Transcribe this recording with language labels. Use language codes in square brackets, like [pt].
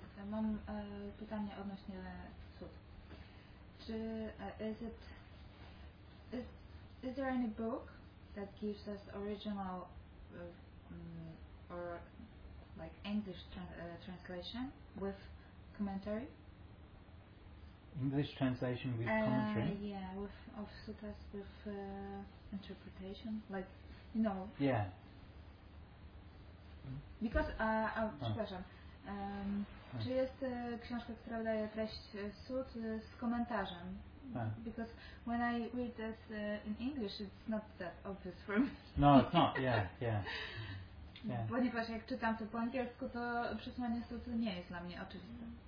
[pl] Mam pytanie odnośnie sut. [en] Is there any book that gives us original or like English translation with commentary? English translation with commentary? Yeah, of suttas with interpretation, like, you know. Yeah. Because, [pl] przepraszam, czy jest książka, która daje treść sut z komentarzem? [en] Because when I read this in English, it's not that obvious for me. No, it's not, yeah. [pl] Ponieważ jak czytam to po angielsku, to przesłanie sut nie jest dla mnie oczywiste.